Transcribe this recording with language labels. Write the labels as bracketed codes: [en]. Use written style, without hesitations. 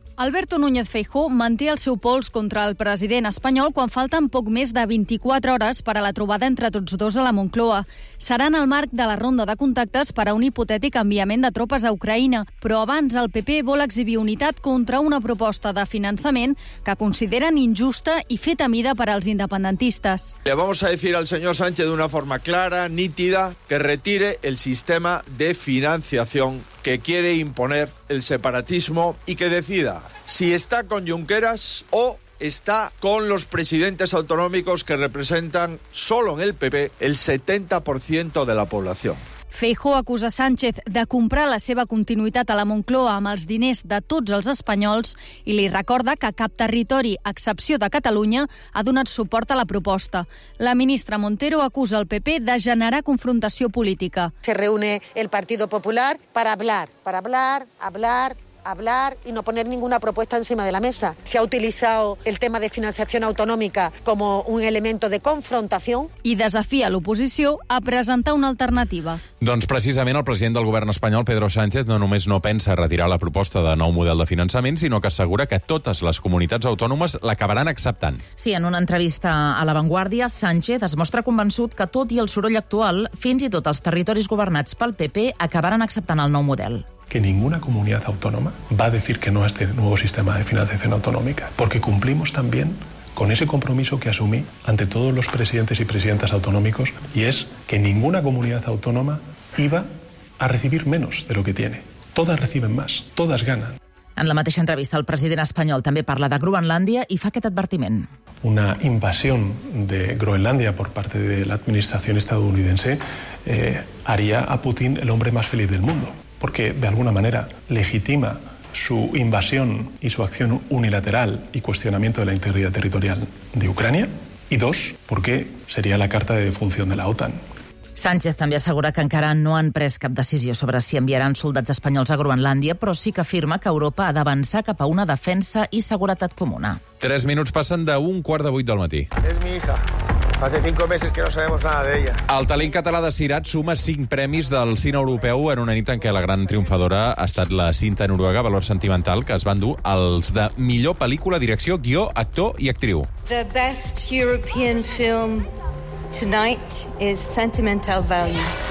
[ca] Alberto Núñez Feijó manté el seu pols contra el president espanyol quan falten poc més de 24 hores per a la trobada entre tots dos a la Moncloa. Serà en el marc de la ronda de contactes per a un hipotètic enviament de tropes a Ucraïna, però abans el PP vol exhibir unitat contra una proposta de finançament que consideren injusta i feta mida per als independentistes. [es] Le vamos a decir al señor Sánchez de una forma clara, nítida, que retire el sistema de financiación que quiere imponer el separatismo y que decida si está con Junqueras o está con los presidentes autonómicos que representan solo en el PP el 70% de la población. [ca] Feijó acusa Sánchez de comprar la seva continuïtat a la Moncloa amb els diners de tots els espanyols i li recorda que cap territori, a excepció de Catalunya, ha donat suport a la proposta. La ministra Montero acusa el PP de generar confrontació política. [es] Se reúne el Partido Popular para hablar y no poner ninguna propuesta encima de la mesa. Se ha utilizado el tema de financiación autonómica como un elemento de confrontación. [ca] I desafia l'oposició a presentar una alternativa. Doncs precisament el president del govern espanyol, Pedro Sánchez, no només no pensa retirar la proposta de nou model de finançament, sinó que assegura que totes les comunitats autònomes l'acabaran acceptant. Sí, en una entrevista a La Vanguardia, Sánchez es mostra convençut que tot i el soroll actual, fins i tot els territoris governats pel PP acabaran acceptant el nou model. [es] Que ninguna comunidad autónoma va a decir que no a este nuevo sistema de financiación autonómica, porque cumplimos también con ese compromiso que asumí ante todos los presidentes y presidentas autonómicos, y es que ninguna comunidad autónoma iba a recibir menos de lo que tiene. Todas reciben más, todas ganan. [ca] En la mateixa entrevista, el president espanyol també parla de Groenlàndia i fa aquest advertiment. [es] Una invasión de Groenlandia por parte de la administración estadounidense haría a Putin el hombre más feliz del mundo. Porque de alguna manera legitima su invasión y su acción unilateral y cuestionamiento de la integridad territorial de Ucrania. Y dos, porque sería la carta de defunción de la OTAN. [ca] Sánchez també assegura que encara no han pres cap decisió sobre si enviaran soldats espanyols a Groenlàndia, però sí que afirma que Europa ha d'avançar cap a una defensa i seguretat comuna. 3 minuts passen d'un quart de 8 del matí. [es] És mi hija. Hace 5 meses que no sabemos nada de ella. [ca] El talent català de Cirat suma 5 premis del cine europeu en una nit en què la gran triomfadora ha estat la cinta noruega Valor Sentimental, que es van dur els de millor pel·lícula, direcció, guió, actor i actriu. [en] The best European film tonight is Sentimental Value.